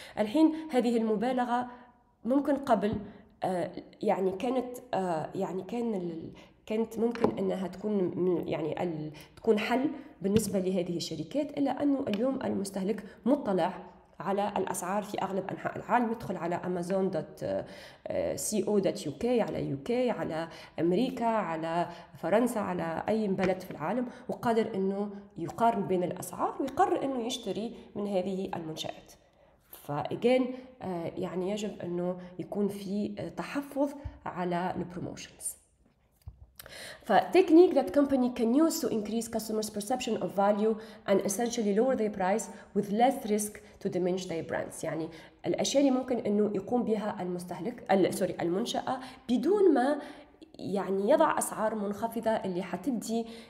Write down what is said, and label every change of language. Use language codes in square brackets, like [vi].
[ar] الحين هذه المبالغة ممكن قبل يعني كانت يعني كانت ممكن أنها تكون يعني تكون حل بالنسبة لهذه الشركات، إلا أنه اليوم المستهلك مطلع على الأسعار في أغلب أنحاء العالم، يدخل على amazon.co.uk، على UK، على أمريكا، على فرنسا، على أي بلد في العالم، وقادر أنه يقارن بين الأسعار ويقرر أنه يشتري من هذه المنشآت. فأجين يعني يجب أنه يكون في تحفظ على البروموشنز. [en] فتكنيكي that company can use to increase customers' perception of value and essentially lower their price with less risk to diminish their brands. [ar] يعني الأشياء اللي ممكن إنه يقوم بها المستهلك، سوري المنشأة، بدون ما يعني يضع أسعار منخفضة اللي حتدي